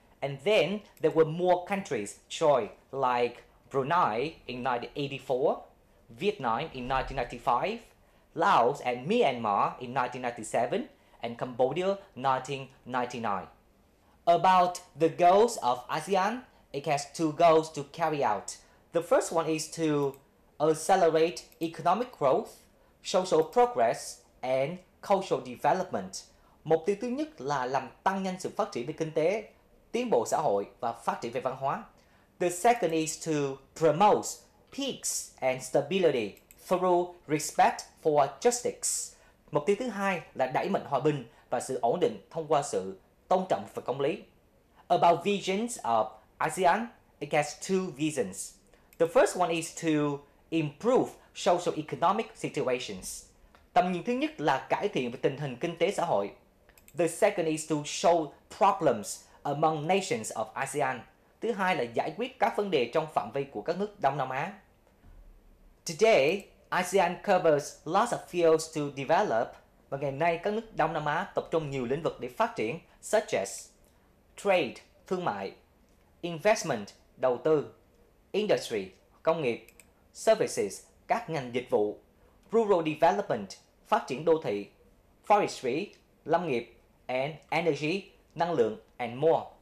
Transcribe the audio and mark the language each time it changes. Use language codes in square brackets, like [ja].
[en] And then there were more countries joined, like Brunei in 1984, Vietnam in 1995, Laos and Myanmar in 1997, and Cambodia 1999. About the goals of ASEAN, it has two goals to carry out. The first one is to accelerate economic growth, social progress, and cultural development. [vi] Mục tiêu thứ nhất là làm tăng nhanh sự phát triển về kinh tế, tiến bộ xã hội và phát triển về văn hóa. [en] The second is to promote peace and stability through respect for justice. [vi] Mục tiêu thứ hai là đẩy mạnh hòa bình và sự ổn định thông qua sự tôn trọng và công lý. [en] About visions of ASEAN, it has two visions. The first one is to improve social economic situations. [vi] Tầm nhìn thứ nhất là cải thiện về tình hình kinh tế xã hội. [en] The second is to show problems among nations of ASEAN. [vi] Thứ hai là giải quyết các vấn đề trong phạm vi của các nước Đông Nam Á. [en] Today, ASEAN covers lots of fields to develop. [vi] Và ngày nay, các nước Đông Nam Á tập trung nhiều lĩnh vực để phát triển, [en] such as trade, [vi] thương mại, investment, đầu tư, industry, công nghiệp, services, các ngành dịch vụ, [en] rural development, [vi] phát triển đô thị, forestry, lâm nghiệp, [en] and energy, [vi] năng lượng, [en] and more.